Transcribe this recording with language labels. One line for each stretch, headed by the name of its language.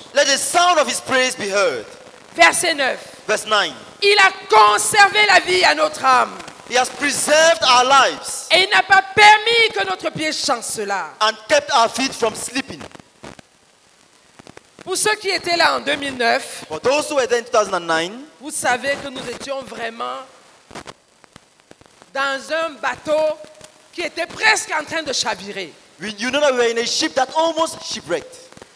English: Let the sound of his praise be heard.
French: Verset 9.
English: Verse 9.
French: Il a conservé la vie à notre âme.
English: He has preserved our lives.
French: Et il n'a pas permis que notre pied chancela.
English: And kept our feet from slipping.
French: Pour ceux qui étaient là en 2009,
English: for those who were there in 2009,
French: vous savez que nous étions vraiment dans un bateau qui était presque en train de chavirer.
English: You know that we were in a ship that almost shipwrecked.